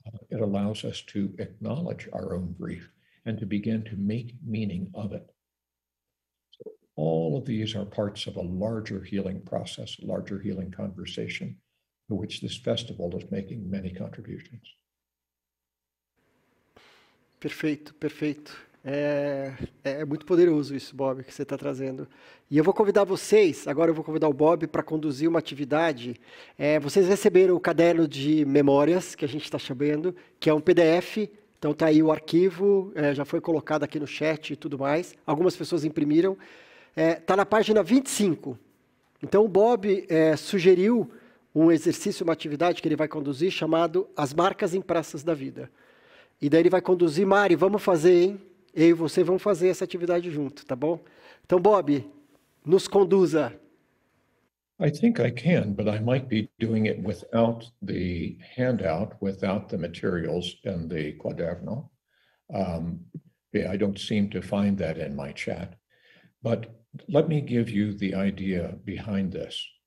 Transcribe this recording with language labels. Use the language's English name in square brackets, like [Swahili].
[English] It allows us to acknowledge our own grief and to begin to make meaning of it. So all of these are parts of a larger healing process, a larger healing conversation, to which this festival is making many contributions. [Portuguese] Perfeito, perfeito. É muito poderoso isso, Bob, que você está trazendo. E eu vou convidar vocês, agora eu vou convidar o Bob para conduzir uma atividade. Vocês receberam o caderno de memórias, que a gente está chamando, que é um PDF, então está aí o arquivo, já foi colocado aqui no chat e tudo mais. Algumas pessoas imprimiram. Está na página 25. Então o Bob sugeriu um exercício, uma atividade que ele vai conduzir, chamado As Marcas em Praças da Vida. E daí ele vai conduzir. Mari, vamos fazer, hein? Eu e você vamos fazer essa atividade junto, tá bom? Então, Bob, nos conduza. [English] I think I can, but I might be doing it without the handout, without the materials and the quaderno. I don't seem to find that in my chat. But let me give you the idea behind this.